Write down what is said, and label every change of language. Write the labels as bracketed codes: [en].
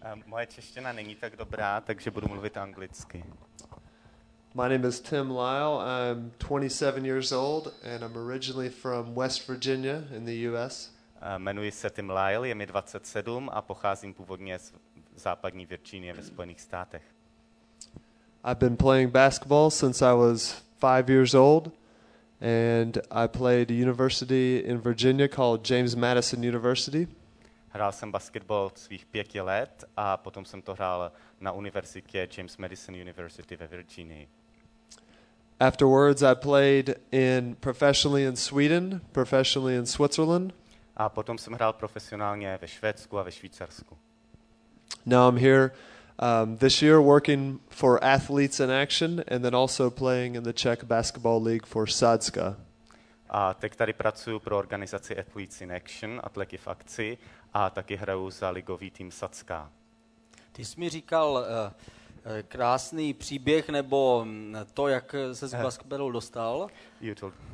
[cs] Moje čeština není tak dobrá, takže budu mluvit anglicky. [en] My name is Tim Lyle. I'm 27 years old and I'm originally from West Virginia in the US. [cs] Jmenuji se Tim Lyle, je mi 27 a pocházím původně z západní Virginie ve Spojených státech. [en] I've been playing basketball since I was 5 years old, and I played a university in Virginia called James Madison University. [cs] Hrál jsem basketbal od svých 5 let a potom jsem to hrál na univerzitě James Madison University ve Virginii. [en] Afterwards I played in professionally in Sweden, professionally in Switzerland. [cs] A potom jsem hrál profesionálně ve Švédsku a ve Švýcarsku. [en] Now I'm here this year working for Athletes in Action and then also playing in the Czech Basketball League for Sadska. [cs] A teď tady pracuji pro organizaci Athletes in Action, atleti v akci, a taky hraju za ligový tým Sadska. Ty jsi mi říkal krásný příběh nebo to, jak se z basketbalu dostal. [en] You told